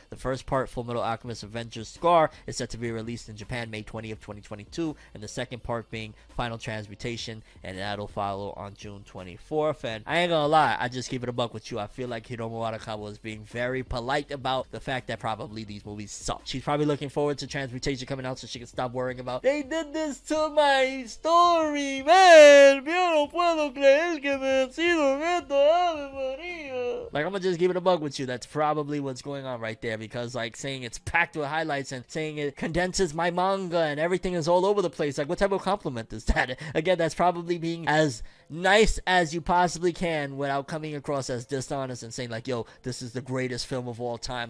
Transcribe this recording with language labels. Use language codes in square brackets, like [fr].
[en] The first part, Fullmetal Alchemist Avengers Scar, is set to be released in Japan May 20th, 2022, and the second part being Final Transmutation, and that'll follow on June 24th. And I ain't gonna lie, I just keep it a buck with you. I feel like Hiromu Arakawa was being very polite about the fact that probably these movies suck. She's probably looking forward to Transmutation coming out so she can stop worrying about, they did this to my story, man. [es] Yo no puedo creer que me han sido esto, Ave María. [en] Like, I'm gonna just give it a bug with you. That's probably what's going on right there, because, like, saying it's packed with highlights and saying it condenses my manga and everything is all over the place. Like, what type of compliment is that? Again, that's probably being as nice as you possibly can without coming across as dishonest and saying, like, yo, this is the greatest film of all time.